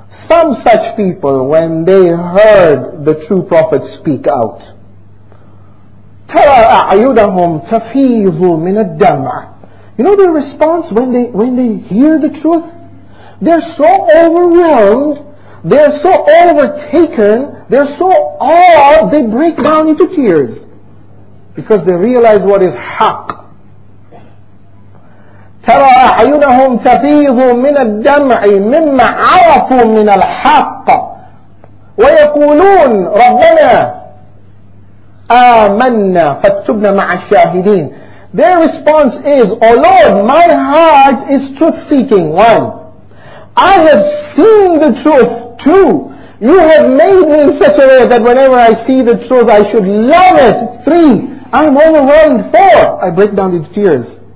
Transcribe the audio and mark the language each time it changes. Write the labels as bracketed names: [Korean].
[English] Some such people, when they heard the true prophet speak out, [Arabic] تَرَى أَعْيُدَهُمْ تَفِيضُ مِنَ الدَّمْعِ. [English] You know their response when they hear the truth? They're so overwhelmed, they're so overtaken, they're so awed, they break down into tears. Because they realize what is haqq. [Arabic] ترى أعينهم تفيض من الدمع مما عرفوا من الحق ويقولون ربنا آمنا فاكتبنا مع الشاهدين. [English] Their response is, O Lord, my heart is truth seeking. One, I have seen the truth. Two, you have made me in such a way that whenever I see the truth I should love it. Three, I'm overwhelmed. Four, I break down into tears.